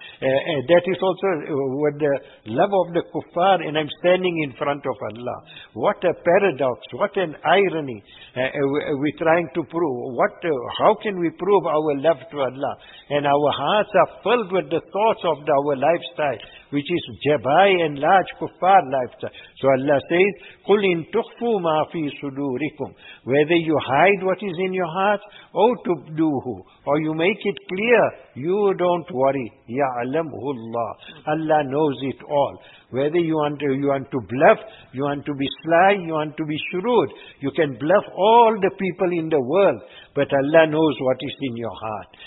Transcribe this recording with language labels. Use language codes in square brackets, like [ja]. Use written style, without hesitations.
[en] That is also with the love of the kuffar, and I'm standing in front of Allah. What a paradox, what an irony. We're trying to prove, how can we prove our love to Allah? And our hearts are filled with the thoughts of our lifestyle, which is jabai and large kuffar lifestyle. So Allah says, [ar] قُلْ إِن تُخْفُوا مَا فِي صُدُورِكُمْ. [en] Whether you hide what is in your heart, [ar] أَوْ تُبْدُوهُ, [en] or you make it clear, you don't worry. [ar] يَعْلَمْهُ اللَّهُ. [en] Allah knows it all. Whether you want to bluff, you want to be sly, you want to be shrewd, you can bluff all the people in the world, but Allah knows what is in your heart.